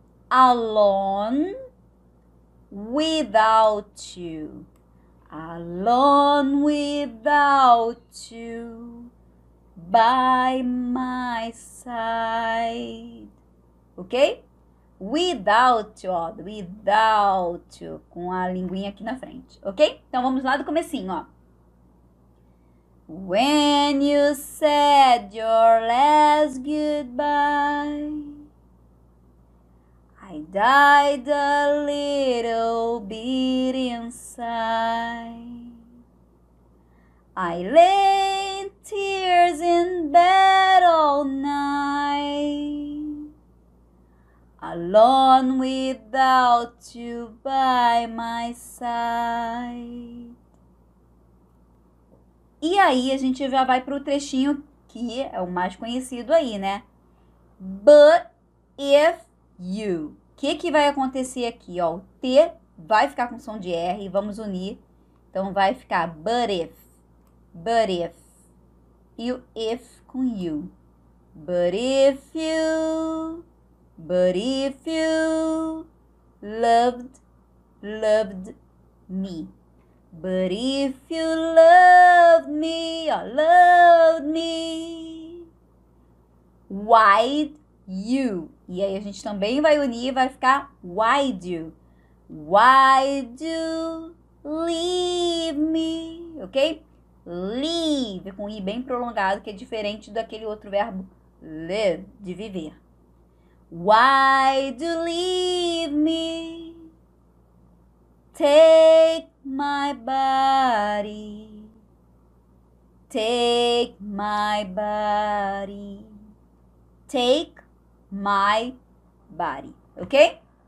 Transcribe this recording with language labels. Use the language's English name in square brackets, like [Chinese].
[English] alone without you. Alone without you by my side. Ok? Without you, ó. Without you. [Portuguese] Com a linguinha aqui na frente. Ok? Então vamos lá do comecinho, ó. [English] When you said your last goodbye, I died a little bit inside. I lay in tears in bed all night, alone without you by my side. [Portuguese] E aí, a gente já vai pro trechinho que é o mais conhecido aí, né? [English] But if you. [Portuguese] Que vai acontecer aqui, ó? O T vai ficar com som de R e vamos unir. Então, vai ficar [English] but if. But if. [Portuguese] E o if com you. [English] But if you. But if you. Loved. Loved me. But if you love me, oh, love me, why'd you? [Portuguese] E aí a gente também vai unir e vai ficar [English] why'd you? Why'd you leave me? Ok? [Portuguese] Leave, com um I bem prolongado, que é diferente daquele outro verbo live, de viver. [English] Why'd you leave me? Take my body, take my body, take my body, ok?